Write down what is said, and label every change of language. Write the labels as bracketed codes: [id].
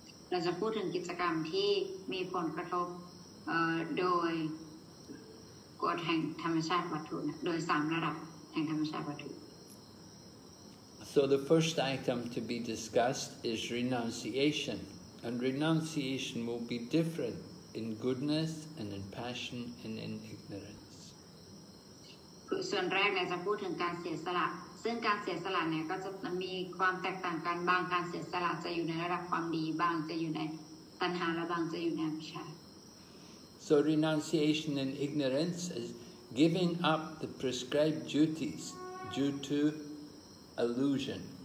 [th] เราจะพูดถึงกิจกรรมที่มีผลกระทบโดยกฎแห่งธรรมชาติวัตถุโดย3ระดับแห่งธรรมชาติวัตถุ [en] So the first item to be discussed is renunciation, and renunciation will be different. In goodness and in passion and in ignorance. [th] ส่วนแรกเนี่ยจะพูดถึงการเสียสละซึ่งการเสียสละเนี่ยก็จะมีความแตกต่างกันบางการเสียสละจะอยู่ในระดับความดีบางจะอยู่ในตัณหาและบางจะอยู่ในอวิชชา [en] So renunciation and ignorance is giving up the prescribed duties due to illusion.